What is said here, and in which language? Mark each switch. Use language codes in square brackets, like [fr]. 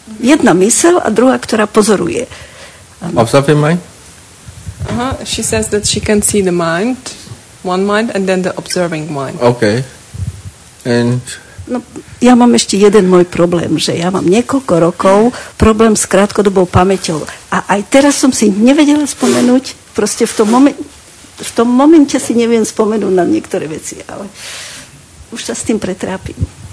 [cs] Jedna mysl a druhá, která pozoruje. Obsahy mají? [en] She says that she can see the mind, one mind, and then the observing mind. Okay. And... [cs] No, já mám ještě jeden můj problém, že já mám několiko rokov problém s krátkodobou paměťou. A aj teraz jsem si nevěděla vzpomenout, prostě v tom momentě si nevím vzpomenout na některé věci, ale už se s tím pretrápím.